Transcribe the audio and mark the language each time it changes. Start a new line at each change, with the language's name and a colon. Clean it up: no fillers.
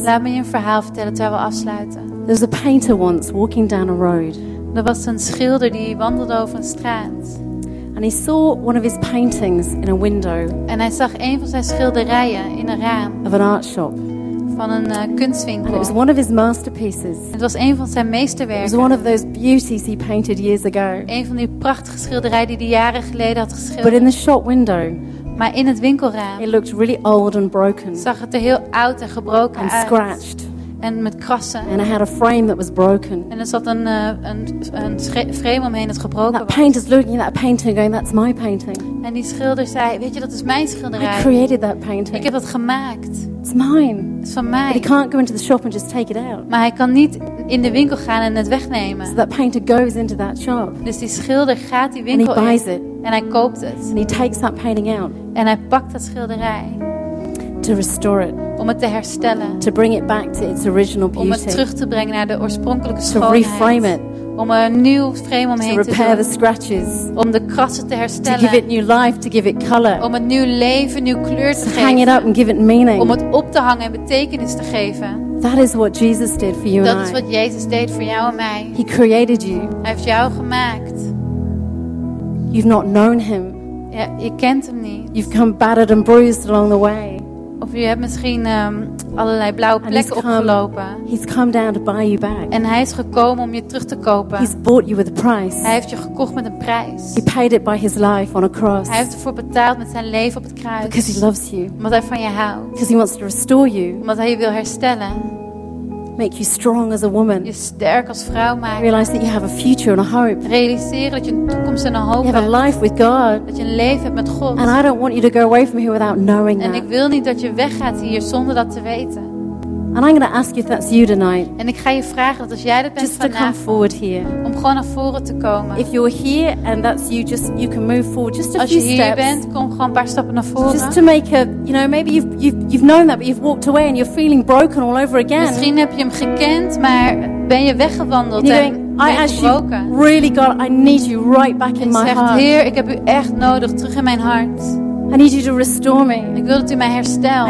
Dutch: Laat me je een verhaal vertellen terwijl we afsluiten.
English: There was a painter once walking down a road.
Dutch: En er was een schilder die wandelde over een straat.
English: And he saw one of his paintings in a window.
Dutch: En hij zag een van zijn schilderijen in een raam.
English: Of an art shop.
Dutch: Van een kunstwinkel.
English: And it was one of his masterpieces.
Dutch: En het was een van zijn meesterwerken.
English: It was one of those beauties he painted years ago.
Dutch: Een van die prachtige schilderijen die hij jaren geleden had geschilderd.
English: But in the shop window.
Dutch: Maar in het winkelraam.
English: It looked really old and broken.
Dutch: Zag het er heel oud en gebroken
English: and
Dutch: uit.
English: And scratched.
Dutch: En met krassen.
English: And it had a frame that was broken.
Dutch: En er zat een frame omheen dat gebroken
English: that
Dutch: was.
English: That painter's looking at that painting going, that's my painting.
Dutch: En die schilder zei, weet je, dat is mijn schilderij.
English: I created that painting.
Dutch: Ik heb dat gemaakt.
English: It's mine.
Dutch: Het is van mij.
English: But he can't go into the shop and just take it out.
Dutch: Maar hij kan niet in de winkel gaan en het wegnemen.
English: So that painter goes into that shop.
Dutch: Dus die schilder gaat die winkel in.
English: And he buys it.
Dutch: En hij koopt het.
English: And he takes that painting out.
Dutch: En hij pakt dat schilderij.
English: To restore it.
Dutch: Om het te herstellen.
English: To bring it back to its original beauty.
Dutch: Om het terug te brengen naar de oorspronkelijke
English: to
Dutch: schoonheid.
English: To reframe it.
Dutch: Om er een nieuw frame omheen
English: to repair
Dutch: te
English: the scratches.
Dutch: Om de krassen te herstellen.
English: To give it new life, to give it color.
Dutch: Om een nieuw leven, nieuw kleur te
English: to
Dutch: geven.
English: Hang it up and give it meaning.
Dutch: Om het op te hangen en betekenis te geven.
English: That is what Jesus did for you
Dutch: Dat
English: and I.
Dutch: Dat is wat Jezus deed voor jou en mij.
English: He created you.
Dutch: Hij heeft jou gemaakt.
English: You've not known him.
Dutch: Ja, je kent hem niet.
English: You've come battered and bruised along the way.
Dutch: Of je hebt misschien allerlei blauwe plekken opgelopen.
English: He's come down to buy you back.
Dutch: En hij is gekomen om je terug te kopen.
English: He's bought you with a price.
Dutch: Hij heeft je gekocht met een prijs.
English: He paid it by his life on a cross.
Dutch: Hij heeft ervoor betaald met zijn leven op het kruis.
English: Because he loves you.
Dutch: Omdat hij van je houdt.
English: Because he wants to restore you.
Dutch: Omdat hij je wil herstellen.
English: Make you strong as a woman.
Dutch: Je sterk als vrouw maken.
English: Realize that you have a future and a hope.
Dutch: Realiseren dat je een toekomst en een hoop hebt.
English: You have a life with God.
Dutch: Dat je een leven hebt met God.
English: And I don't want you to go away from here without knowing that.
Dutch: En ik wil niet dat je weggaat hier zonder dat te weten.
English: And I'm going to ask you if that's you tonight.
Dutch: En ik ga je vragen dat als jij dat bent
English: just
Dutch: vanavond.
English: Just to come forward here.
Dutch: Om gewoon naar voren te komen.
English: If you're here and that's you, just you can move forward just a
Dutch: als
English: few steps.
Dutch: Als je hier bent, kom gewoon een paar stappen naar voren.
English: Just to make a, you know, maybe you've known that, but you've walked away and you're feeling broken all over again.
Dutch: Misschien heb je hem gekend, maar ben je weggewandeld en ben je gebroken.
English: Really, God, I need you right back in my heart.
Dutch: Zegt Heer, ik heb u echt nodig terug in mijn hart.
English: I need you to restore me.
Dutch: Ik wil dat u mij herstelt.